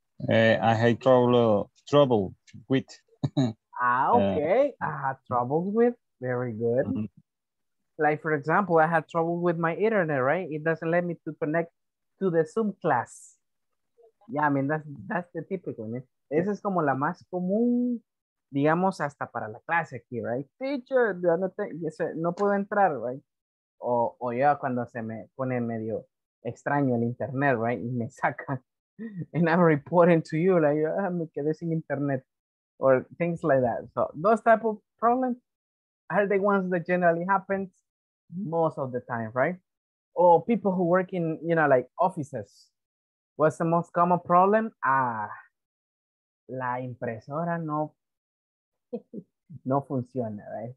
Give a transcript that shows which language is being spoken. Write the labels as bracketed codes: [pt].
[en] I have trouble with. Ah, okay. I have trouble with, very good. Mm-hmm. Like, for example, I had trouble with my internet, right? It doesn't let me to connect to the Zoom class. Yeah, I mean, that's the typical, right? [es] Esa es como la más común, digamos, hasta para la clase aquí, right? Teacher, no puedo entrar, right? O yo cuando se me pone medio extraño el internet, right? Y me saca. [en] And I'm reporting to you, like, oh, [es] me quedé sin internet. [en] Or things like that. So those type of problems are the ones that generally happen most of the time, right? Or people who work in, you know, like offices. What's the most common problem? [es] La impresora no funciona, [en] right?